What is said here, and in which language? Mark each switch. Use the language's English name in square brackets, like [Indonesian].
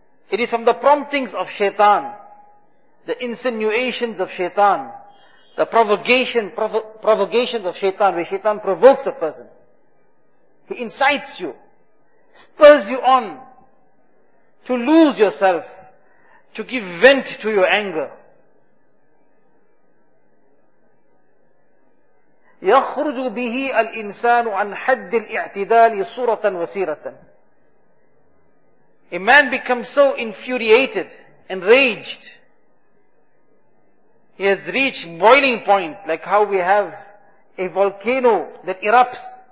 [English] It is from the promptings of shaitan, the insinuations of shaitan, the provocations of shaitan, where shaitan provokes a person. He incites you, spurs you on to lose yourself, to give vent to your anger. [Arabic] يخرج به الإنسان عن حد الاعتدال صورة وسيرة. [English] A man becomes so infuriated, enraged. He has reached boiling point, like how we have a volcano that erupts.